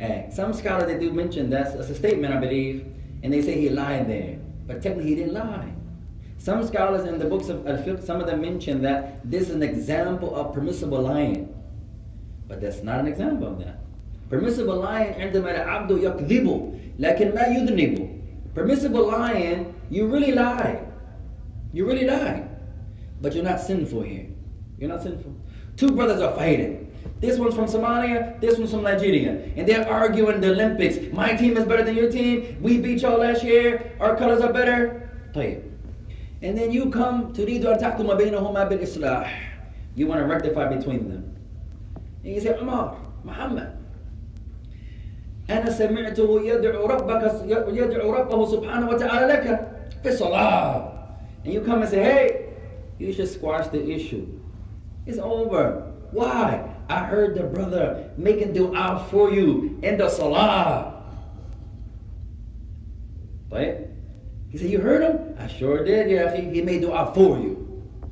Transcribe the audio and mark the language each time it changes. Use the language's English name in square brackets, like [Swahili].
[English] Some scholars, they do mention that as a statement, I believe, and they say he lied there. But technically, he didn't lie. Some scholars in the books of Al-Fiqh, some of them mention that this is an example of permissible lying. But that's not an example of that. Permissible lying, [Arabic] عندما العبد يكذب لكن لا يذنب. [English] Permissible lying, you really lie. You really lie. But you're not sinful here. You're not sinful. Two brothers are fighting. This one's from Somalia, this one's from Nigeria. And they're arguing the Olympics. My team is better than your team. We beat y'all last year. Our colors are better. طيب. And then you come, [Arabic] تريد أن تحكم بينهما بالإصلاح. [English] You want to rectify between them. And you say, Umar, Muhammad. [Arabic] أنا سمعته يدعو ربه سبحانه وتعالى لك في الصلاة. [English] And you come and say, hey, you should squash the issue. It's over. Why? I heard the brother making dua for you in the salah. Right? He said, you heard him? I sure did, yeah. He made dua for you.